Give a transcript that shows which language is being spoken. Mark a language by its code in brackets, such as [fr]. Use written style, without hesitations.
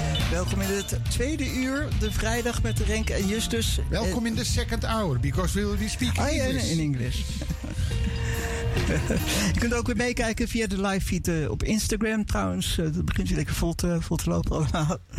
[nl] Welkom in het tweede uur, de vrijdag met Renk en Justus. Welkom [en] in the second hour, because we will be speaking English. Ah ja, in English. [nl] Je kunt ook weer meekijken via de live feed op Instagram trouwens. Dat begint je lekker vol te lopen allemaal.